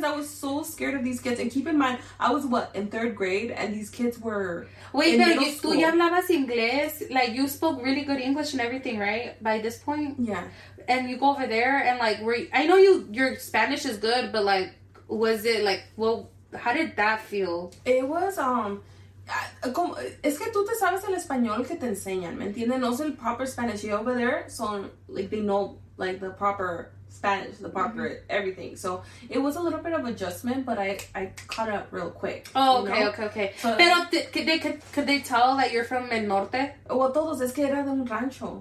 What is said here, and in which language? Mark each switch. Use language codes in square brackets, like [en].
[en] because I was so scared of these kids. And keep in mind, I was, what, in third grade? And these kids were Wait, [es] pero tú ya hablabas inglés. [en] Like, you spoke really good English and everything, right? By this point? Yeah. And you go over there and, like, were you, I know you, your Spanish is good, but, like, was it, like, well, how did that feel? It was, [es] Es que tú te sabes el español que te enseñan, ¿me entiendes? No es el [en] proper Spanish. You over there, so, like, they know, like, the proper Spanish, the proper everything. So, it was a little bit of adjustment, but I caught up real quick. Oh, okay, you know? Okay. So, pero, could they tell that you're from [es] el norte? [en] Well, [es] todos, es que era de un rancho.